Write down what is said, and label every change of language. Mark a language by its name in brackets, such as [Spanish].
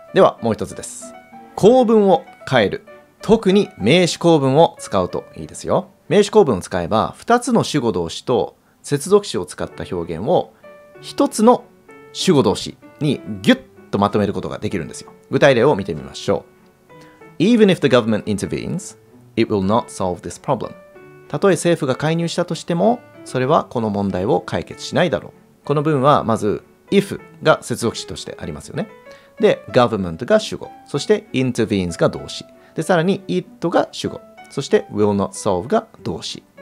[Japanese] ではもう一つです。構文を変える。特に名詞構文を使うといいですよ。名詞構文を使えば2つの主語動詞と接続詞を使った表現を1つの主語動詞にギュッとまとめることができるんですよ。具体例を見てみましょう。 [English] Even if the government intervenes, it will not solve this problem. [Japanese] たとえ政府が介入したとしてもそれはこの問題を解決しないだろう。この文はまず if が接続詞としてありますよね。で、government が主語、そして intervenes が動詞で、さらに it が主語、そして will not solve が動詞。